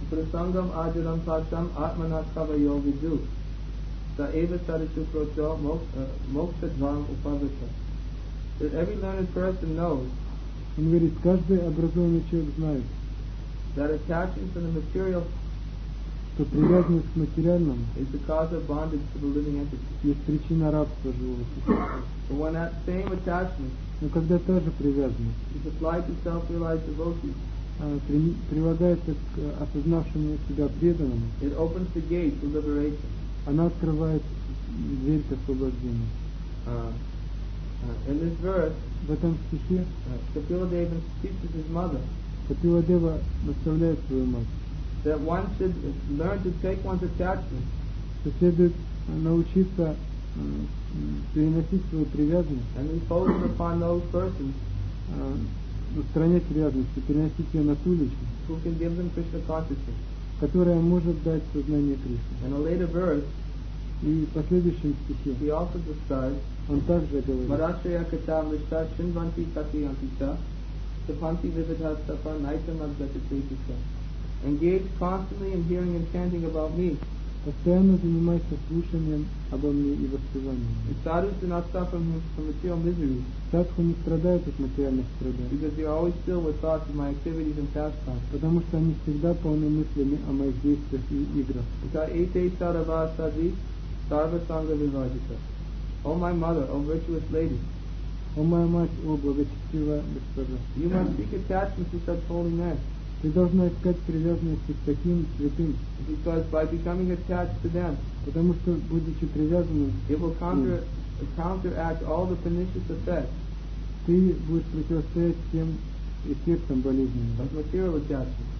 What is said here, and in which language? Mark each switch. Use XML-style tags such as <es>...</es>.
<sa>Прасангам Аджарам Сарсам Атманатхава Йогиду. Саева Сарасу Прочо Мокша Дван Упавата.</sa> <en>That every learned person knows.</en> <ru>Он говорит, каждый образованный человек знает,</ru> <en>that attachment to the material,</en> <ru>что привязанность к материальному,</ru> <en>is the cause of bondage to the living entity.</en> <ru>Есть причина рабства живого существа.</ru> <en>When that same attachment,</en> <ru>но когда та же привязанность,</ru> <en>is applied to self-realized devotees,</en> <ru>прилагается к осознавшему себя преданному,</ru> <en>it opens the gate to liberation.</en> <ru>Она открывает дверь к освобождению.</ru> <en>In this verse.</en> <ru>В этом стихе</ru> <en>Капиладева teaches his mother.</en> <ru>Капиладева наставляет свою мать.</ru> <en>That one should learn to take one's attachment.</en> <ru>Что следует научиться переносить свою привязанность.</ru> <en>And impose it upon those persons.</en> <ru>Устранять привязанность и переносить ее на ту личность.</ru> <en>Who can give them Krishna consciousness.</en> <ru>Которая может дать сознание Кришне.</ru> <en>In a later verse.</en> <ru>И в последующем стихе</ru> <en>he also describes,</en> <ru>он также говорит</ru> <sa>Марашая Кача Мишта Шинванти Сати Антита Сапанти Вивидха Сапа Найта Мадгата Тейтика.</sa> <en>Engage constantly in hearing and chanting about me.</en> <ru>Постоянно занимайся слушанием обо мне и воспеванием.</ru> <en>And sadhus do not suffer from material misery.</en> <ru>Садху не страдают от материальных страданий.</ru> <en>Because they are always filled with thoughts of my activities and pastimes.</en> <ru>Потому что они всегда полны мыслями о моих действиях и играх.</ru> <sa>Ita Ite Sarava Sadhi Sarva Sangha Vivajita.</sa> <en>O my mother, O virtuous lady. O my mother, O Bhagachitiva Bhaktara. You must seek attachment to such holy men.</en> <ru>Ты должна искать привязанность к таким святым.</ru> <en>Because by becoming attached to them.</en> <ru>Потому что, будучи привязанным.</ru> <en>It will counteract all the pernicious effects.</en> <ru>Ты будешь противостоять тем эффектам болезненным.</ru> <en>Of material attachment.</en>